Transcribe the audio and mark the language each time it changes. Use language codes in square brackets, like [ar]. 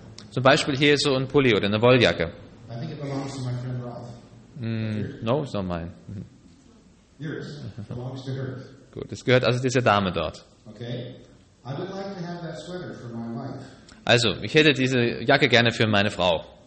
[de] Zum Beispiel hier ist so ein Pulli oder eine Wolljacke. [en] I think it belongs to my friend Ralph. No, it's not mine. Yours. It belongs to her. [de] Gut, es gehört also dieser Dame dort. [en] Okay. I would like to have that sweater for my wife. [de] Also, ich hätte diese Jacke gerne für meine Frau.